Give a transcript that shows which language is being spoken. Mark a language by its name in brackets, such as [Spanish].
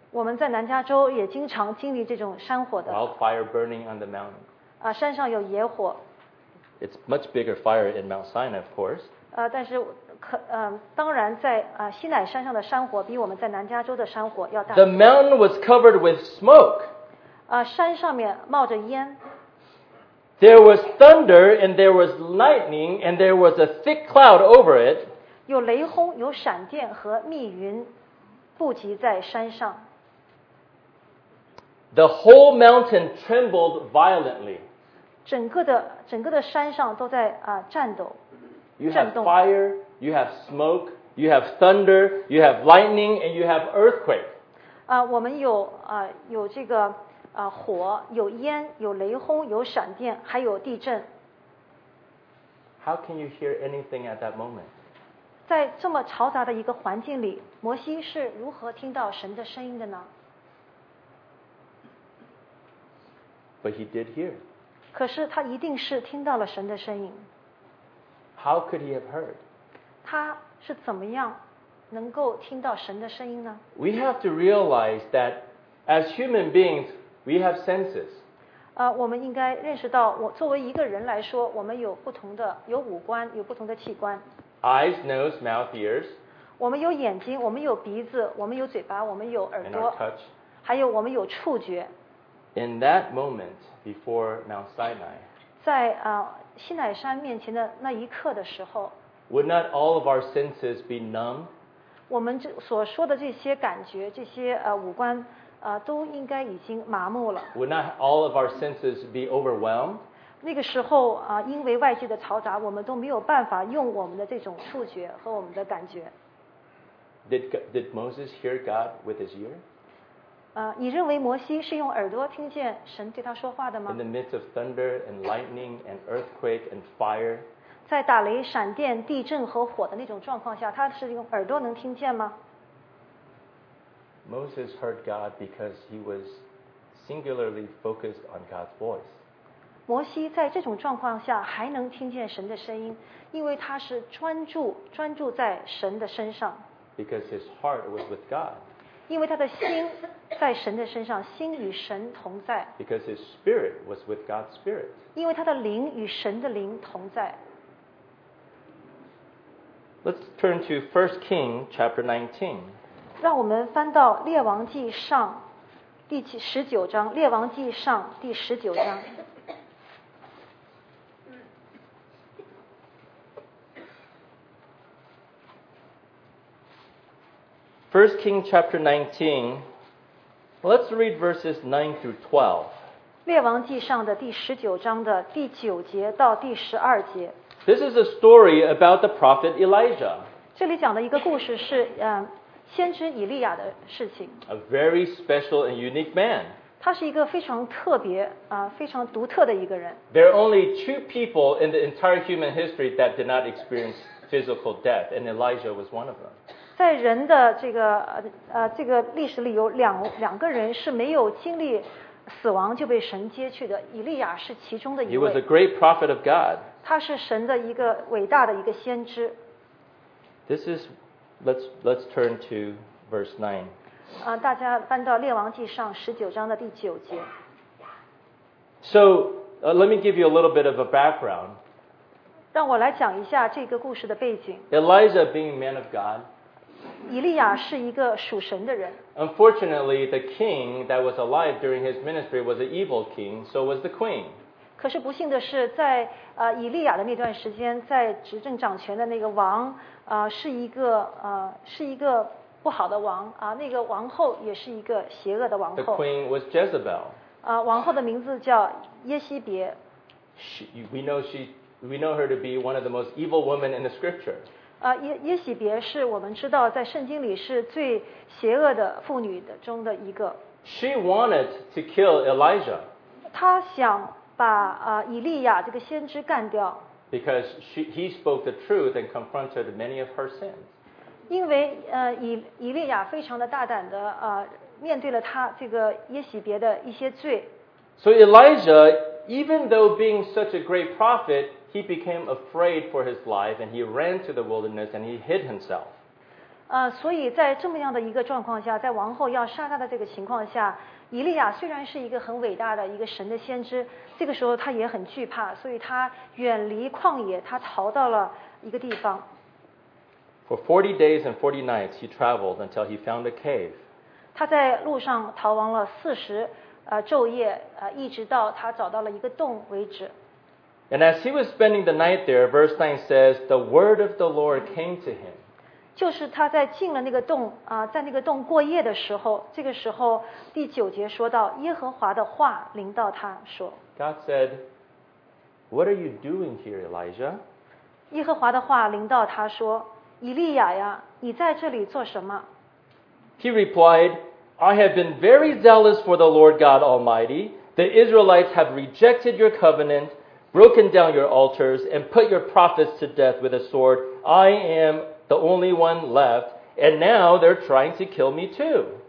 [Chinese] 我们在南加州也经常经历这种山火的。 [English] Wildfire burning on the mountain. [Chinese] 山上有野火。 [English] It's much bigger fire in Mount Sinai, of course. [Chinese] 但是当然在西乃山上的山火比我们在南加州的山火要大。 [English] The mountain was covered with smoke. [Chinese] 山上面冒着烟。 [English] There was thunder and there was lightning and there was a thick cloud over it. [Chinese] 有雷轰，有闪电和密云布集在山上。 [English] The whole mountain trembled violently. [Chinese] 整个的山上都在颤抖。 [English] You have fire, you have smoke, you have thunder, you have lightning, and you have earthquake. [Chinese] 我们有有这个火，有烟，有雷轰，有闪电，还有地震。 [English] How can you hear anything at that moment? [Chinese] 在这么嘈杂的一个环境里，摩西是如何听到神的声音的呢？ [English] But he did hear. [Chinese] 可是他一定是听到了神的声音。 [English] How could he have heard? [Chinese] 他是怎么样能够听到神的声音呢？ [English] We have to realize that as human beings, we have senses. [Chinese] 我们应该认识到，我作为一个人来说，我们有不同的，有五官，有不同的器官。 [English] Eyes, nose, mouth, ears. [Chinese] 我们有眼睛，我们有鼻子，我们有嘴巴，我们有耳朵。 [English] And our touch. [Chinese] 还有我们有触觉。 [English] In that moment before Mount Sinai, [Chinese] 在西乃山面前的那一刻的时候 [English] ，Would not all of our senses be numb? [Chinese] 我们所说的这些感觉，这些五官都应该已经麻木了。 [English] Would not all of our senses be overwhelmed? [Chinese] 那个时候啊，因为外界的嘈杂，我们都没有办法用我们的这种触觉和我们的感觉。 [English] Did Moses hear God with his ear? [Chinese] 你认为摩西是用耳朵听见神对他说话的吗 [English] ？In the midst of thunder and lightning and earthquake and fire. [Chinese] 在打雷、闪电、地震和火的那种状况下，他是用耳朵能听见吗 [English] ？Moses heard God because he was singularly focused on God's voice. [Chinese] 摩西在这种状况下还能听见神的声音，因为他是专注在神的身上。 [English] Because his heart was with God. [Chinese] 因为他的心在神的身上，心与神同在。 [English] Because his spirit was with God's spirit. [Chinese] 因为他的灵与神的灵同在。 [English] Let's turn to 1 Kings chapter 19. [Chinese] 让我们翻到列王记上第十九章，列王记上第十九章。 [English] First Kings chapter 19. Let's read verses 9 through 12. [Chinese] 列王记上的第十九章的第九节到第十二节。 [English] This is a story about the prophet Elijah. [Chinese] 这里讲的一个故事是先知以利亚的事情。 [English] A very special and unique man. [Chinese] 他是一个非常特别非常独特的一个人。 [English] There are only two people in the entire human history that did not experience physical death, and Elijah was one of them. [Chinese] 在人的这个历史里有两个人是没有经历死亡就被神接去的，以利亚是其中的一位。 [English] He was a great prophet of God. [Chinese] 他是神的一个伟大的一个先知。 [English] This is, let's turn to verse 9. [Chinese] 大家翻到列王记上十九章的第九节。 [English] So, let me give you a little bit of a background. [Chinese] 让我来讲一下这个故事的背景。 [English] Elijah being man of God. [Chinese] 以利亚是一个属神的人。 [English] Unfortunately, the king that was alive during his ministry was an evil king, so was the queen. [Chinese] 可是不幸的是，在以利亚的那段时间，在执政掌权的那个王是一个不好的王那个王后也是一个邪恶的王后。 [English] The queen was Jezebel. [Chinese] 王后的名字叫耶西别。 [English] We know her to be one of the most evil women in the scripture. [Chinese] 耶洗别是我们知道在圣经里是最邪恶的妇女的中的一个。 [English] She wanted to kill Elijah. [Chinese] 她想把以利亚这个先知干掉。 [English] Because he spoke the truth and confronted many of her sins. [Chinese] 因为以利亚非常的大胆的面对了他这个耶洗别的一些罪。 [English] So Elijah, even though being such a great prophet, he became afraid for his life and he ran to the wilderness and he hid himself. [Chinese] 所以在这么样的一个状况下，在王后要杀他的这个情况下，以利亚虽然是一个很伟大的一个神的先知，这个时候他也很惧怕，所以他远离旷野，他逃到了一个地方。 [English] For 40 days and 40 nights, he traveled until he found a cave. [Chinese] 他在路上逃亡了四十昼夜一直到他找到了一个洞为止。 [English] And as he was spending the night there, verse 9 says, the word of the Lord came to him. [Chinese] 就是他在进了那个洞在那个洞过夜的时候，这个时候第九节说到耶和华的话临到他说。 [English] God said, what are you doing here, Elijah? [Chinese] 耶和华的话临到他说，以利亚呀，你在这里做什么？ [English] He replied, I have been very zealous for the Lord God Almighty. The Israelites have rejected your covenant. Broken down your altars and put your prophets to death with a sword. I am the only one left, and now they're trying to kill me too.